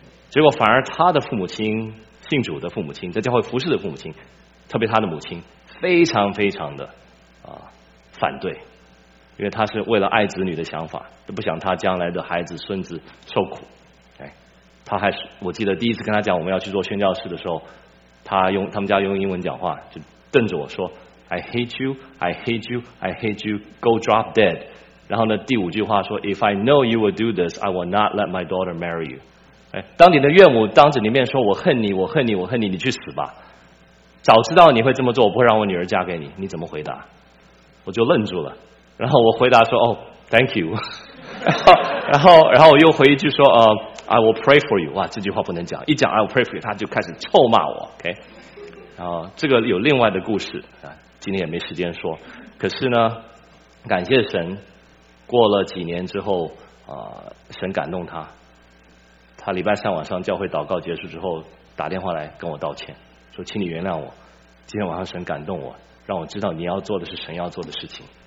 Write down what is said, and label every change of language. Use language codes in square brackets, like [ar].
[zh] 结果反而他的父母亲，信主的父母亲，在教会服侍的父母亲，特别他的母亲非常非常的反对，因为他是为了爱子女的想法，不想他将来的孩子孙子受苦。他还是，我记得第一次跟他讲我们要去做宣教士的时候，他们家用英文讲话，就瞪着我说 [en] I hate you, I hate you, I hate you, go drop dead。 [zh] 然后呢第五句话说 [en] If I know you will do this, I will not let my daughter marry you。 [zh] 当你的岳母当着你面说我恨你，我恨你，我恨你，你去死吧，早知道你会这么做，我不会让我女儿嫁给你，你怎么回答？我就愣住了，然后我回答说 [en] Oh, thank you。 [zh] 然后我又回一句说 [en] I will pray for you。 [zh] 哇，这句话不能讲，一讲 [en] I will pray for you [zh] 他就开始臭骂我。OK， 然后这个有另外的故事啊，今天也没时间说。可是呢感谢神，过了几年之后神感动他，他礼拜三晚上教会祷告结束之后打电话来跟我道歉，说请你原谅我，今天晚上神感动我，让我知道你要做的是神要做的事情。